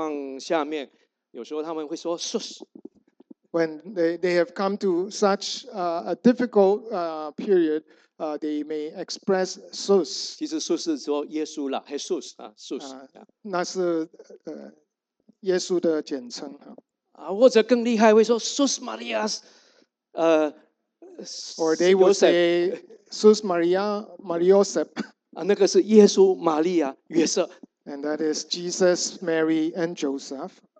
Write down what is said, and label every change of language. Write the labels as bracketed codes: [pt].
[zh] 他们遇到一个非常的情况下面，有时候他们会说 "sus." [en] When they have come to such a difficult period, they may express "sus." [zh] 其实 "sus" 是说耶稣了 ，Jesus 啊 ，sus. 那是耶稣的简称。或者更厉害会说 "sus Maria." [en] Or they would say, Sus Maria, Mariosep. [zh] 那个是耶稣、玛利亚、约瑟。 [en] And that is Jesus, Mary, and Joseph.